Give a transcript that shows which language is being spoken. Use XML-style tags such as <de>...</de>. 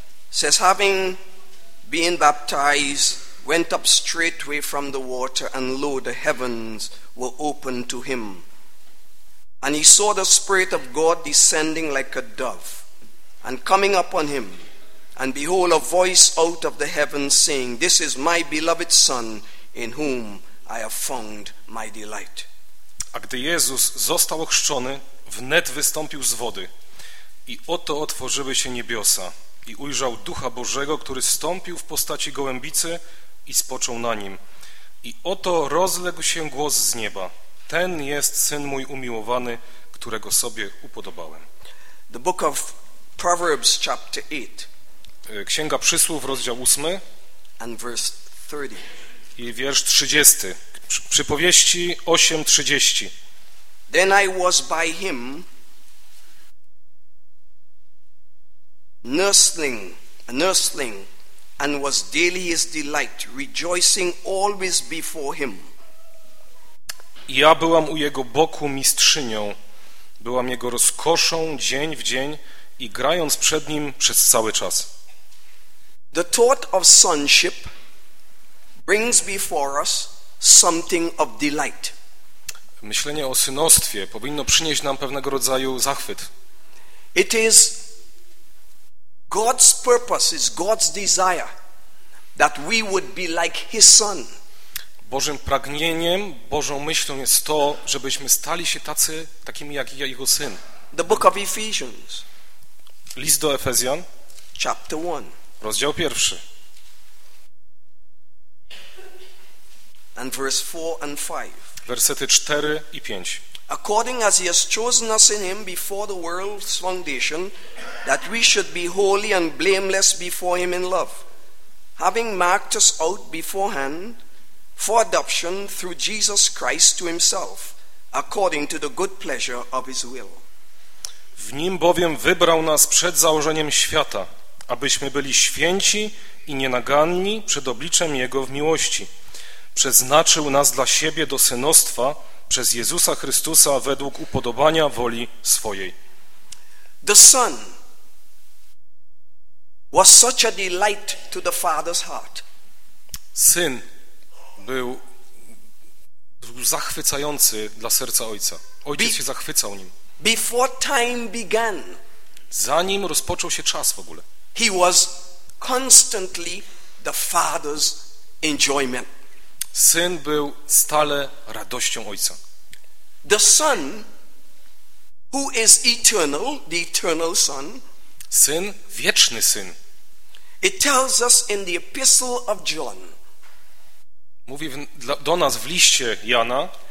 <en>Says, having been baptized, went up straightway from the water, and lo, the heavens were opened to him. And he saw the Spirit of God descending like a dove, and coming upon him. And behold, a voice out of the heavens saying, this is my beloved Son, in whom I have found my delight.</en> <pl>A gdy Jezus został ochrzczony, wnet wystąpił z wody, i oto otworzyły się niebiosa. I ujrzał Ducha Bożego, który stąpił w postaci gołębicy i spoczął na nim. I oto rozległ się głos z nieba. Ten jest Syn mój umiłowany, którego sobie upodobałem.</pl> <en>The book of Proverbs, chapter 8.</en> <pl>Księga Przysłów, rozdział 8.</pl> <en>And verse 30.</en> <pl>I wiersz 30. Przypowieści 8:30.</pl> <en>Then I was by him, nursling, and was daily his delight, rejoicing always before him.</en> <pl>Ja byłam u jego boku mistrzynią, byłam jego rozkoszą dzień w dzień i grając przed nim przez cały czas.</pl> <en>The thought of sonship brings before us something of delight.</en> <pl>Myślenie o synostwie powinno przynieść nam pewnego rodzaju zachwyt.</pl> <en>It is God's purpose, is God's desire that we would be like his son.</en> <pl>Bożym pragnieniem, Bożą myślą jest to, żebyśmy stali się tacy, takimi jak jego syn.</pl> <en>The book of Ephesians.</en> <pl>List do Efezjan.</pl> <en>Chapter 1.</en> <pl>Rozdział 1.</pl> <en>And verse 4 and 5.</en> <pl>Wersety 4 i 5.</pl> <en>According as he has chosen us in him before the world's foundation, that we should be holy and blameless before him in love, having marked us out beforehand for adoption through Jesus Christ to himself, according to the good pleasure of his will.</en> <pl>W nim bowiem wybrał nas przed założeniem świata, abyśmy byli święci i nienaganni przed obliczem jego w miłości. Przeznaczył nas dla siebie do synostwa, przez Jezusa Chrystusa według upodobania woli swojej.</pl> <en>The Son was such a delight to the Father's heart.</en> <pl>Syn był zachwycający dla serca Ojca. Ojciec się zachwycał nim.</pl> <en>Before time began,</en> <pl>zanim rozpoczął się czas w ogóle,</pl> <en>he was constantly the Father's enjoyment.</en> <pl>Syn był stale radością Ojca.</pl> <en>The Son, who is eternal, the eternal Son,</en> <pl>Syn, wieczny Syn.</pl> <en>It tells us in the Epistle of John.</en> <pl>Mówi do nas w liście Jana.</pl>